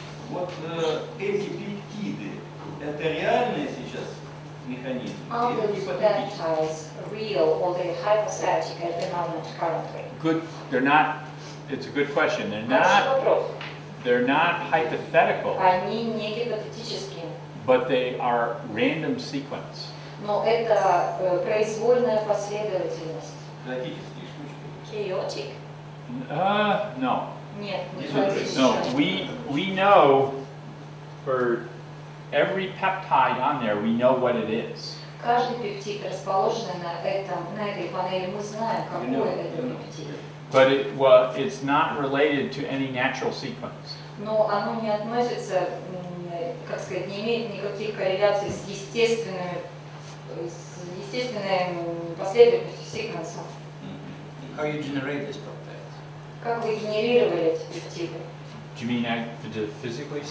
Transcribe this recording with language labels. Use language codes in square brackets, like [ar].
[ru] Вот эти пептиды, это реальные сейчас механизмы? [en] All those peptides, real, all the hypothetic at the moment currently. Good, they're not, it's a good question. They're not, they're not hypothetical. [ru] Они не гипотетические. [en] But they are random sequence. [ru] Но это произвольная последовательность. Хаотические штучки. [en] Chaotic. No. [ru] Нет, [en] no, we know for every peptide on there, we know what it is. [ru] Каждый пептид, расположенный на этом, на этой панели, мы знаем, какой это пептид. [en] But it, well, it's not related to any natural sequence. [ru] Но оно не относится, как сказать, не имеет никаких корреляций с естественной последовательностью sequence. [en] How you generate this peptide? [ru] Как вы генерировали эти пептиды? [en] Do you mean physically?